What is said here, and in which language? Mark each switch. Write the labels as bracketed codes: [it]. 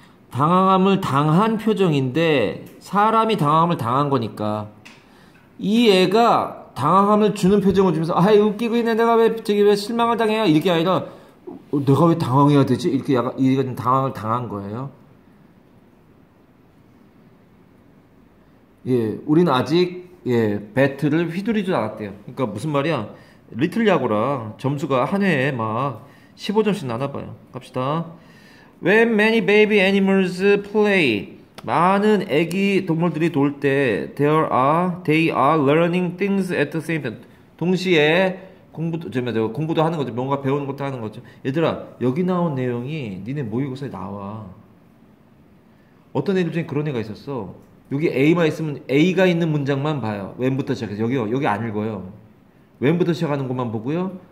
[ko] 당황함을 당한 표정인데 사람이 당황함을 당한 거니까 이 애가 당황함을 주는 표정을 주면서 아이 웃기고 있네 내가 왜 저기 왜 실망을 당해요 이게 아니라 내가 왜 당황해야 되지 이렇게 약간 이게 당황을 당한 거예요. 예, 우리는 아직 예 배트를 휘두르지 않았대요. 그러니까 무슨 말이야? 리틀 야구랑 점수가 한 해에 막 15점씩 나나봐요. 갑시다. [en] When many baby animals play, [ko] 많은 애기 동물들이 놀 때, [en] they are learning things at the same time. [ko] 동시에 공부도 하는 거죠. 뭔가 배우는 것도 하는 거죠. 얘들아, 여기 나온 내용이 니네 모의고사에 나와. 어떤 애들 중에 그런 애가 있었어. 여기 A만 있으면 A가 있는 문장만 봐요. 왼부터 시작해서. 여기 안 읽어요. 왼부터 시작하는 것만 보고요.